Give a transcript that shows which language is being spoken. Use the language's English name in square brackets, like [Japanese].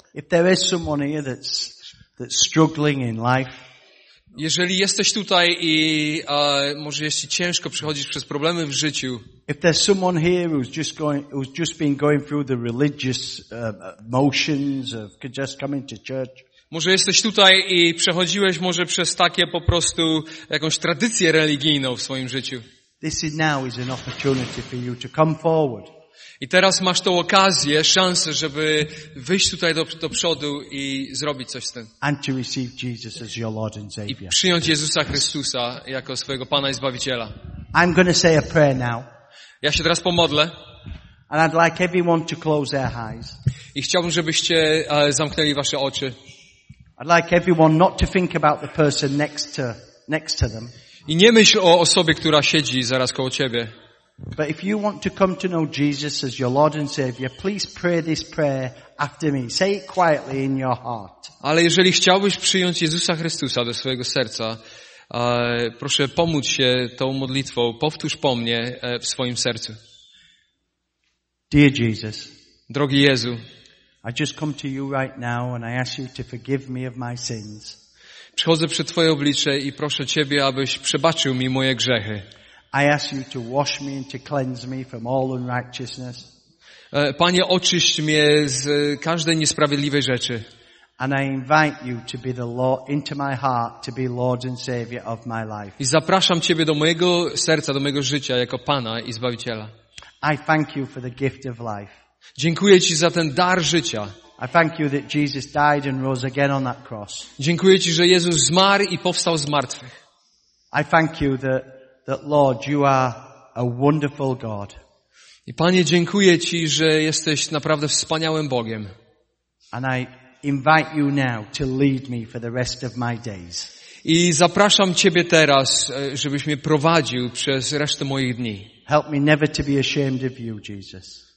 [English] If there is someone here that's struggling in life, [Polish] jeżeli jesteś tutaj i może jest ci ciężko przechodzić przez problemy w życiu. [English] If there's someone here who's just been going through the religious motions of just coming to church. [Polish] Może jesteś tutaj i przechodziłeś może przez takie po prostu jakąś tradycję religijną w swoim życiu. [English] This is now is an opportunity for you to come forward. [Polish] I teraz masz tą okazję, szansę, żeby wyjść tutaj do przodu i zrobić coś z tym. [English] And to receive Jesus as your Lord and Savior. [Polish] I przyjąć Jezusa Chrystusa jako swojego Pana i Zbawiciela. [English] I'm going to say a prayer now. [Polish] Ja się teraz pomodlę. [English] And I'd like everyone to close their eyes. [Polish] I chciałbym, żebyście zamknęli wasze oczy. [English] I'd like everyone not to think about the person next to them. [Polish] I nie myśl o osobie, która siedzi zaraz koło ciebie. [English] But if you want to come to know Jesus as your Lord and Savior, please pray this prayer after me. Say it quietly in your heart. [Polish] Ale jeżeli chciałbyś przyjąć Jezusa Chrystusa do swojego serca, proszę pomóc się tą modlitwą. Powtórz po mnie w swoim sercu. [English] Dear Jesus. [Polish] Drogi Jezu. [English] I just come to you right now and I ask you to forgive me of my sins. [Polish] Przychodzę przed Twoje oblicze i proszę Ciebie, abyś przebaczył mi moje grzechy. [English] I ask you to wash me and to cleanse me from all unrighteousness. [Polish] Panie, oczyść mnie z każdej niesprawiedliwej rzeczy. [English] And I invite you to be the Lord into my heart, to be Lord and Savior of my life. [Polish] I zapraszam Ciebie do mojego serca, do mojego życia jako Pana i Zbawiciela. [English] I thank you for the gift of life. [Polish] Dziękuję Ci za ten dar życia. [English] I thank you that Jesus died and rose again on that cross. [Polish] Dziękuję Ci, że Jezus zmarł i powstał z martwych. [English] I thank you that Lord, you are a wonderful God. [Polish] I Panie, dziękuję Ci, że jesteś naprawdę wspaniałym Bogiem. [English] And I invite you now to lead me for the rest of my days. [Polish] I zapraszam Ciebie teraz, żebyś mnie prowadził przez resztę moich dni. [English] Help me never to be ashamed of you, Jesus.